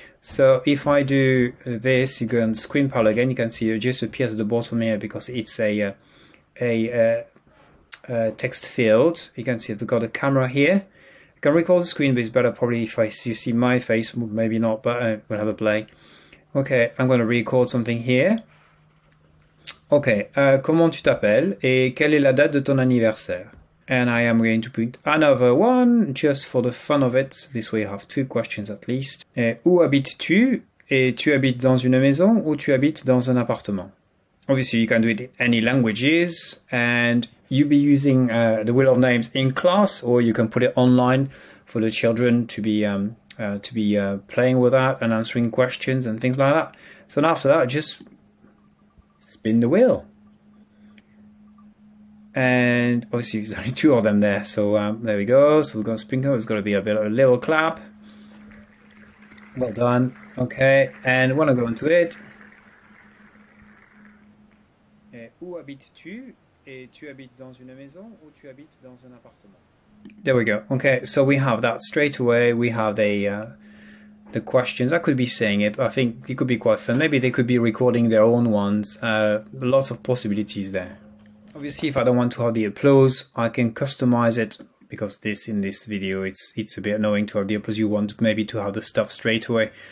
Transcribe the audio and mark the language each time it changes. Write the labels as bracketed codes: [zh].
[en] So if I do this, you go on ScreenPal again, you can see it just appears at the bottom here because it's a text field. You can see I've got a camera here. I can record the screen, but it's better probably if I see my face, maybe not, but we'll have a play. Okay, I'm going to record something here. [fr] Okay, comment tu t'appelles et quelle est la date de ton anniversaire? [en] And I am going to put another one just for the fun of it. This way you have two questions at least. [fr] Où habites-tu? Et tu habites dans une maison ou tu habites dans un appartement? [en] Obviously, you can do it in any languages and you'll be using the Wheel of Names in class, or you can put it online for the children to be. To be playing with that and answering questions and things like that. So now after that, just spin the wheel. And obviously there's only two of them there. So there we go. So we've got Spinko. It's got to be a bit of a little clap. Well done. Okay. And when I go into it. [fr] Où habites-tu? Et tu habites dans une maison ou tu habites dans un appartement? [en] There we go. Okay, so we have that straight away. We have the questions. I could be saying it, but I think it could be quite fun. Maybe they could be recording their own ones. Lots of possibilities there. Obviously, if I don't want to have the applause, I can customize it because this in this video, it's a bit annoying to have the applause. You want maybe to have the stuff straight away.